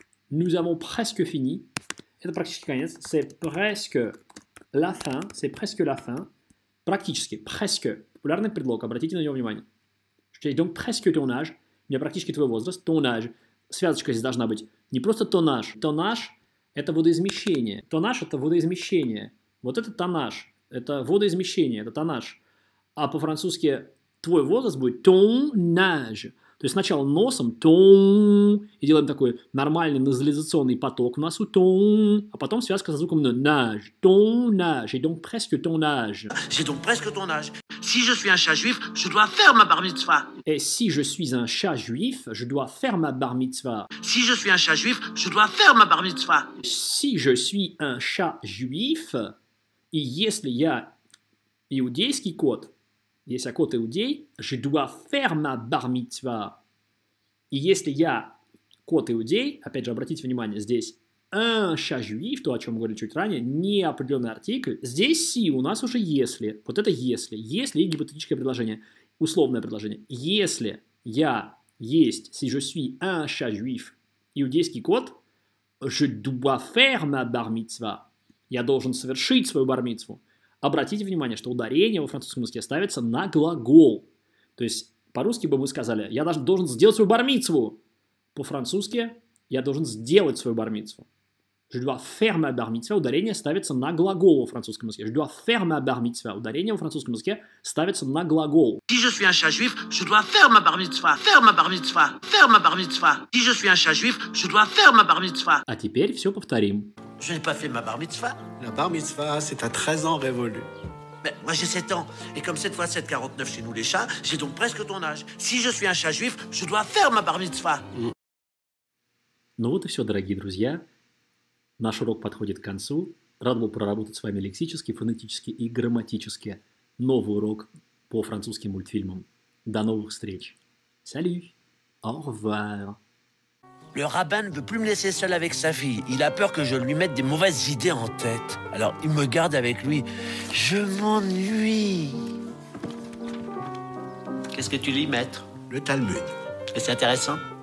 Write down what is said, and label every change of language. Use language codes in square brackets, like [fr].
[fr] Nous avons presque fini. [ru] Это практически конец. [fr] C'est presque la fin. [ru] C'est presque la fin. Практически. Presque. Популярный предлог. Обратите на него внимание. [fr] J'ai donc presque ton âge. [ru] У меня практически твой возраст. [fr] Ton âge. [ru] Связочка здесь должна быть. Не просто ton âge. Ton âge – это водоизмещение. Ton âge – это водоизмещение. Вот это [fr] ton âge. [ru] Это водоизмещение. Это ton âge. А по-французски... Твой возраст будет ton âge. То есть сначала носом тон, и делаем такой нормальный назализационный поток в носу тон, а потом связка со звуком nage. [fr] Tonnage. Et donc presque tonnage. C'est donc presque tonnage. Si je suis un chat juif, je dois faire ma bar mitzvah. Et si je suis un chat juif, je dois faire ma bar mitzvah. Si je suis un chat juif, je dois faire ma bar mitzvah. Si je suis un chat juif, [ru] и если я иудейский кот, если я кот иудей, [fr] je dois faire ma bar mitzvah. [ru] И если я кот иудей, опять же, обратите внимание, здесь un chat juif, то, о чем мы говорили чуть ранее, не определенный артикль. Здесь си, у нас уже если. Вот это если. Если и гипотетическое предложение. Условное предложение. Если я есть, [fr] si je suis un chat juif, [ru] иудейский кот, [fr] je dois faire ma bar mitzvah. [ru] Я должен совершить свою бар мицву. Обратите внимание, что ударение во французском языке ставится на глагол. То есть по-русски бы мы сказали, я должен сделать свою бар мицву. По-французски, я должен сделать свою бар мицву. [fr] Je dois faire ma bar mitzvah. [ru] Ударение ставится на глагол во французском языке. [fr] Je dois faire ma bar mitzvah. [ru] Ударение во французском языке ставится на глагол. [fr] Si je suis un chat juif, je dois faire ma bar mitzvah. Faire ma bar mitzvah. Faire ma bar mitzvah. Si je suis un chat juif, je dois faire ma bar mitzvah. [ru] А теперь все повторим. [fr] Je n'ai pas fait ma bar mitzvah. La bar mitzvah, c'est à 13 ans révolu. Mais moi j'ai 7 ans. Et comme cette fois 7,49 chez nous les chats, j'ai donc presque ton âge. Si je suis un chat juif, je dois faire ma bar mitzvah. [ru] Ну вот и все, дорогие друзья. Наш урок подходит к концу. Рад был проработать с вами лексически, фонетически и грамматически новый урок по французским мультфильмам. До новых встреч. [fr] Salut. Au revoir. Le rabbin ne veut plus me laisser seul avec sa fille. Il a peur que je lui mette des mauvaises idées en tête. Alors, il me garde avec lui. Je m'ennuie. Qu'est-ce que tu lis, maître ? Le Talmud. Et c'est intéressant ?